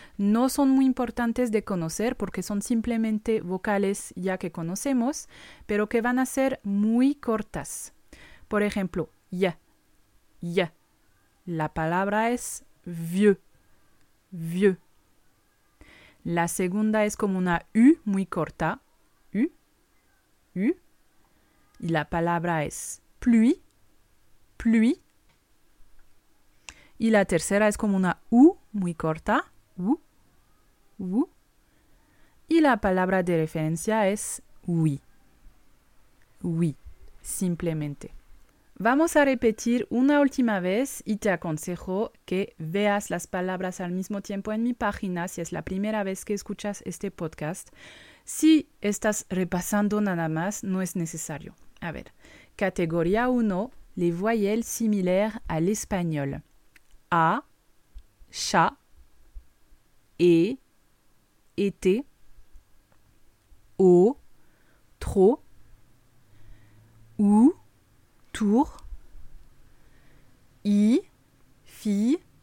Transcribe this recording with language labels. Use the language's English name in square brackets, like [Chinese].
[Spanish] No son muy importantes de conocer porque son simplemente vocales ya que conocemos, pero que van a ser muy cortas. Por ejemplo, ya, ya. La palabra es vieux, vieux. La segunda es como una U muy corta, U, U. Y la palabra es pluie, pluie. Y la tercera es como una U muy corta, U, U. Y la palabra de referencia es oui, oui, simplemente. Vamos a repetir una última vez y te aconsejo que veas las palabras al mismo tiempo en mi página si es la primera vez que escuchas este podcast. Si estás repasando nada más, no es necesario. A ver, categoría 1, [French] les voyelles similaires à l'espagnol. A, chat, e, été, o, trop, ou, tour, I, fille.